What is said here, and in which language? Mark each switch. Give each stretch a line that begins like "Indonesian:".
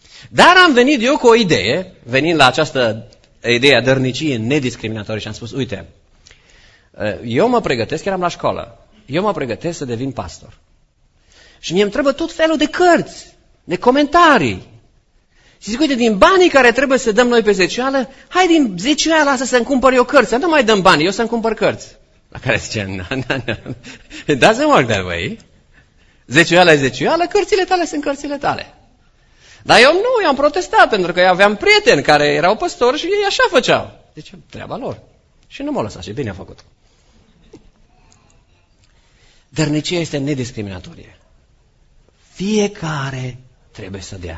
Romanian: Dar am venit eu cu o idee, venind la această idee a dărniciei nediscriminatorii și am spus, uite, eu mă pregătesc, eram la școală, eu mă pregătesc să devin pastor. Și mie îmi trebuie tot felul de cărți, de comentarii. Și zic, uite, din banii care trebuie să dăm noi pe zecioală, hai din zecioala asta să-mi cumpăr eu cărți. Nu mai dăm bani, eu să-mi cumpăr cărți. La care zice,
English: it doesn't work that way.
Romanian: Zecioala e zecioală, cărțile tale sunt cărțile tale. Dar eu nu, i-am protestat, pentru că aveam prieteni care erau păstori și ei așa făceau. Deci, treaba lor. Și nu m-au lăsat și bine a făcut. Dărnicia este nediscriminatorie. Fiecare trebuie să dea.